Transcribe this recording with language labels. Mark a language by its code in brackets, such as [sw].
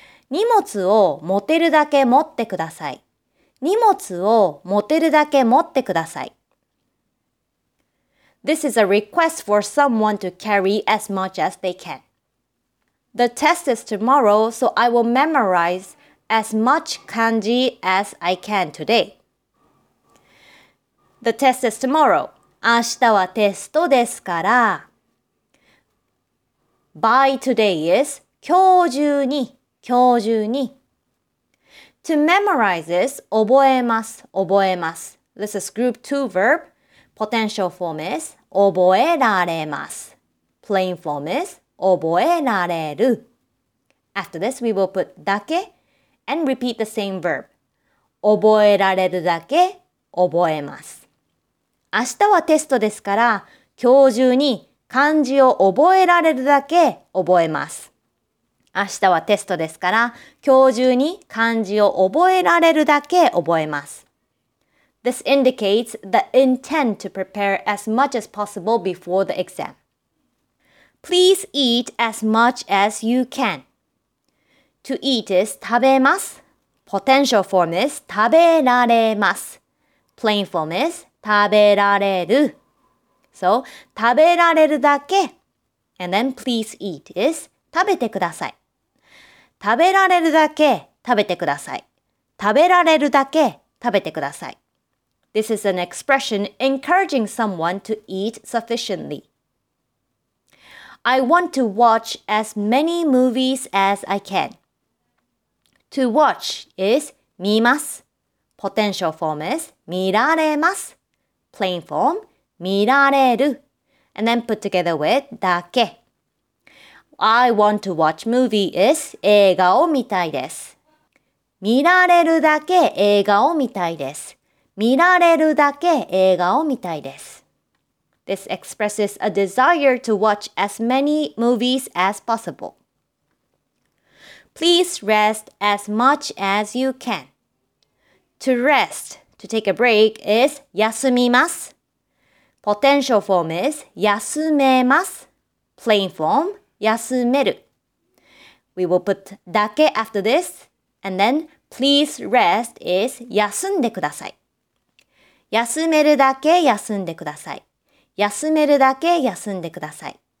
[ja] 荷物を持てるだけ持ってください。荷物を持てるだけ持ってください。 [en] This is a request for someone to carry as much as they can. The test is tomorrow, so I will memorize as much kanji as I can today. The test is tomorrow. [ja] 明日はテストですから。 [en] By today is [ja] 今日中に、今日中に。 [en] To memorize is [ja] 覚えます、覚えます。 [en] This is group 2 verb. Potential form is [ja] 覚えられます。 [en] Plain form is [ja] 覚えられる。 [en] After this, we will put だけ and repeat the same verb. [ja] 覚えられるだけ覚えます。明日はテストですから、今日中に漢字を覚えられるだけ覚えます。明日はテストですから、今日中に漢字を覚えられるだけ覚えます。 [en] This indicates the intent to prepare as much as possible before the exam. Please eat as much as you can. To eat is [ja] 食べます。 [en] Potential form is [ja] 食べられます。 [en] Plain form is [ja] 食べられる。 [en] So, [ja] 食べられるだけ。 [en] And then please eat is [ja] 食べてください。食べられるだけ食べてください。食べられるだけ食べてください。 [en] This is an expression encouraging someone to eat sufficiently. I want to watch as many movies as I can. To watch is [ja] 見ます。 [en] Potential form is [ja] 見られます。 [en] Plain form [ja] 見られる。 [en] And then put together with だけ。I want to watch movie is [ja] 映画を見たいです。見られるだけ映画を見たいです。見られるだけ映画を見たいです。 [en] This expresses a desire to watch as many movies as possible. Please rest as much as you can. To rest, to take a break, is [ja] 休みます。 [en] Potential form is [ja] 休めます。 [en] Plain form, [ja] 休める。 [en] We will put だけ after this, and then please rest is [ja] 休んでください。休めるだけ休んでください。休めるだけ休んでください。